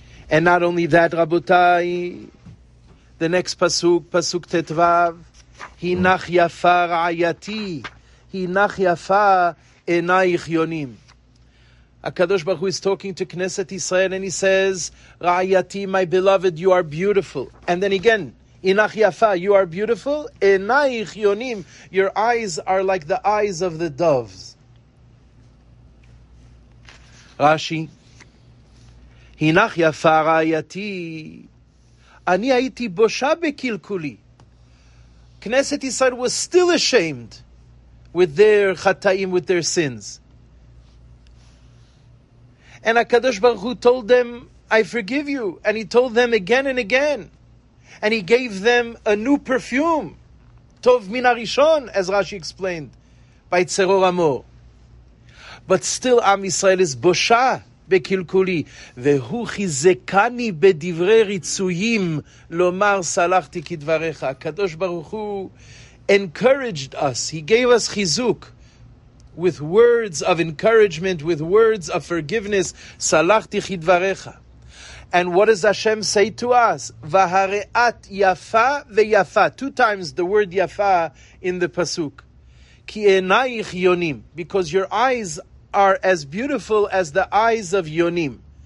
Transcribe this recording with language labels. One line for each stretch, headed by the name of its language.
English: And not only that, Rabotai, the next pasuk, pasuk tetvav,
Hebrew: hinach yafa ra'ayati, hinach yafa enayich yonim.
English: HaKadosh Baruch Hu is talking to Knesset Yisrael and he says, ra'ayati, my beloved, you are beautiful. And then again,
Hebrew: hinach yafa,
English: you are beautiful,
Hebrew: enayich yonim,
English: your eyes are like the eyes of the doves.
Hebrew: Rashi, הינך יפה רעייתי, אני הייתי בושה בקלקולי.
English: Knesset Yisrael was still ashamed with their chataim, with their sins. And HaKadosh Baruch Hu told them, I forgive you. And he told them again and again. And he gave them a new perfume,
Hebrew: Tov Min HaRishon,
English: as Rashi explained, by Tseror Amor. But still Am Yisrael is bosha.
Hebrew: בקלקולי, והוא חיזקני בדברי ריצויים לומר סלחתי כדבריך.
English: הקדוש ברוך הוא encouraged us, he gave us חיזוק with words of encouragement, with words of forgiveness,
Hebrew: סלחתי כדבריך.
English: And what does Hashem say to us?
Hebrew: והראת יפה ויפה,
English: two times the word יפה in the פסוק,
Hebrew: כי עינייך יונים,
English: because your eyes are as beautiful as the eyes of Yonim.